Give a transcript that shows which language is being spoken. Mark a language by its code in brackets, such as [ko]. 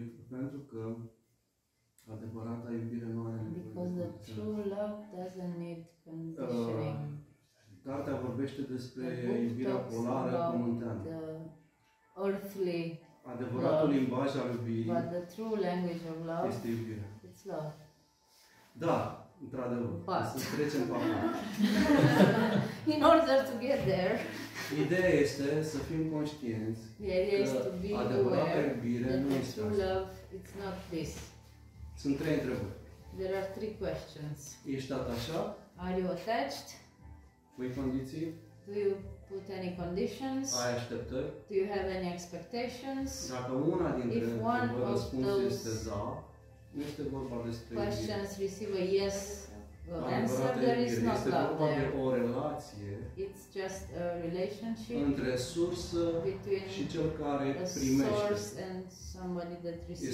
[ro] Pentru că adevărata iubire nu are nevoie. [en] Because the true love doesn't need conditioning. [ro] Cartea vorbește despre iubirea polară pământeană. [en] Earthly. [ro] Adevăratul limbaj al iubirii. [en] But the true language of love. [ro] Este iubirea. [en] It's love. [ro] Da, într-adevăr. Să trecem pe acolo. [en] In order to get there. [ro] Ideea este să fim conștienți. Adevărata iubire nu este asta. [en] True love, it's not this. [ro] Sunt trei întrebări. [en] There are three questions. [ro] Ești atașat? [en] Are you attached? [ro] Pui condiții? [en] Do you put any conditions? [ro] Ai așteptări? [en] Do you have any expectations? [ro] Dacă una dintre întrebări răspunsul este da, nu este vorba despre [en] questions receive a yes answer, there is not love there. [ro] O relație. [en] It's just a relationship [ro] între sursă și cel care primește. [en] Between the source and somebody that receives.